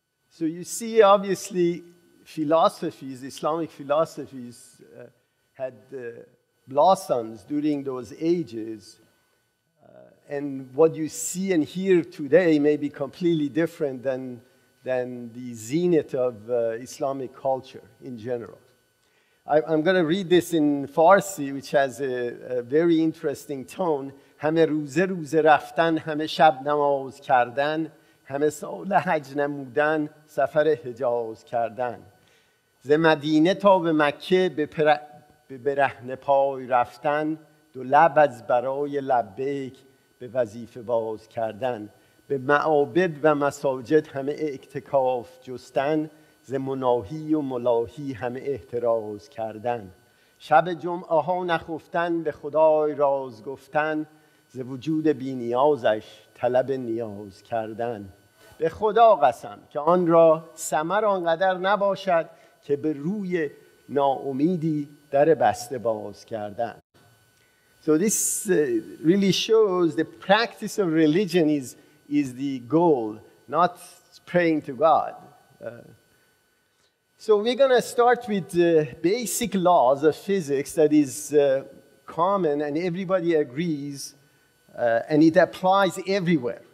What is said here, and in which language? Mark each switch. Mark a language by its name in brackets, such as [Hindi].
[English] So you see, obviously, philosophies, Islamic philosophies, had blossoms during those ages. And what you see and hear today may be completely different than the zenith of Islamic culture in general. I'm going to read this in Farsi, which has a very interesting tone. [Persian] Hame ruze ruze raftan, hame shab namaz kardan, همه سال حج نمودن سفر حجاز کردن ز مدینه تا به مکه به برهنه پای رفتن دو لب از برای لبیک به وظیفه باز کردن به معابد و مساجد همه اکتکاف جستن ز ز مناهی و ملاهی همه احتراز کردن شب جمعه ها نخفتن به خدای راز گفتن ز وجود بی نیازش طلب نیاز کردن به خدا قسم که آن را ثمر آنقدر نباشد که به روی ناامیدی در بسته باز کردن. [English] So this really shows the practice of religion is the goal, not praying to God. So we're going to start with the basic laws of physics that is common and everybody agrees, and it applies everywhere.